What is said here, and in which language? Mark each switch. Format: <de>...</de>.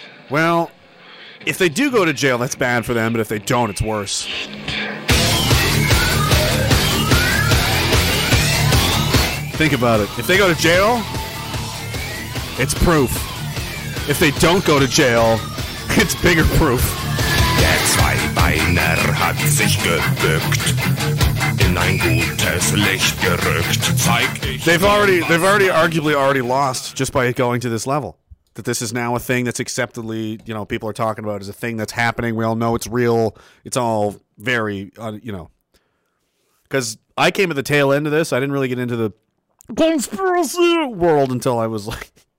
<en>Well, if they do go to jail, that's bad for them, but if they don't, it's worse. Think about it. If they go to jail, it's proof. If they don't go to jail, it's bigger proof.</en> <de>Zweibeiner hat sich gebückt, in ein gutes Licht gerückt. Zeig ich.</de> <en>They've already arguably already lost just by going to this level. That this is now a thing that's acceptedly, you know, people are talking about as a thing that's happening. We all know it's real. It's all very, you know. Because I came at the tail end of this. I didn't really get into the conspiracy world until I was like</en>